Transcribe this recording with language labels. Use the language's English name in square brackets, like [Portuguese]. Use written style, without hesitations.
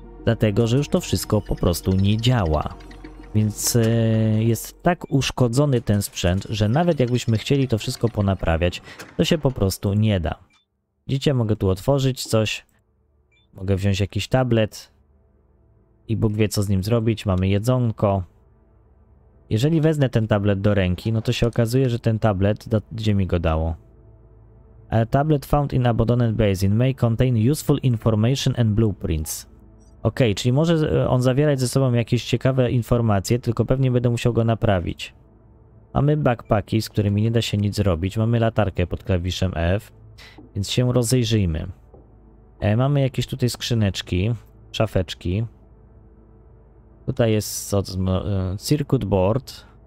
[Polish] Dlatego, że już to wszystko po prostu nie działa. Więc jest tak uszkodzony ten sprzęt, że nawet jakbyśmy chcieli to wszystko ponaprawiać, to się po prostu nie da. Widzicie, mogę tu otworzyć coś, mogę wziąć jakiś tablet i Bóg wie, co z nim zrobić, mamy jedzonko. Jeżeli wezmę ten tablet do ręki, no to się okazuje, że ten tablet, gdzie mi go dało? [English] A tablet found in abandoned basin may contain useful information and blueprints. [Polish] Okej, czyli może on zawierać ze sobą jakieś ciekawe informacje, tylko pewnie będę musiał go naprawić. Mamy backpacki, z którymi nie da się nic zrobić. Mamy latarkę pod klawiszem F, więc się rozejrzyjmy. Mamy jakieś tutaj skrzyneczki, szafeczki. Tutaj jest circuit board.